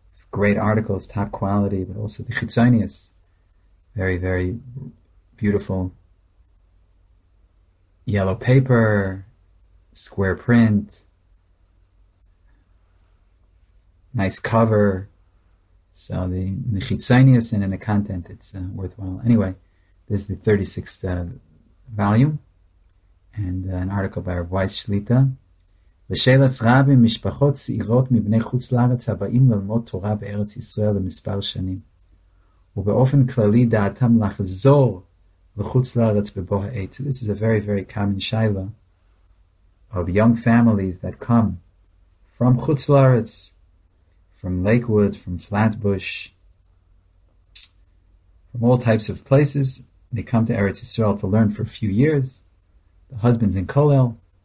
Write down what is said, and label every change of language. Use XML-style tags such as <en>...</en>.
<en>Great articles, top quality, but also the chitzonius. Very, very beautiful yellow paper, square print, nice cover. So the chitzonius and in the content, it's worthwhile. Anyway, this is the 36th volume and an article by Rav Weiss Shlita.</en> <he>לשאלת רבי משפחות צעירות מבני חוץ לארץ הבאים ללמוד תורה בארץ ישראל למספר שנים, ובאופן כללי דעתם לחזור לחוץ לארץ בבוא העת.</he> <en>So this is a very, very common shayla of young families that come from חוץ לארץ, from Lakewood, from Flatbush, from all types of places. They come to Eretz Yisrael to learn for a few years. The husband's in Kollel.</en>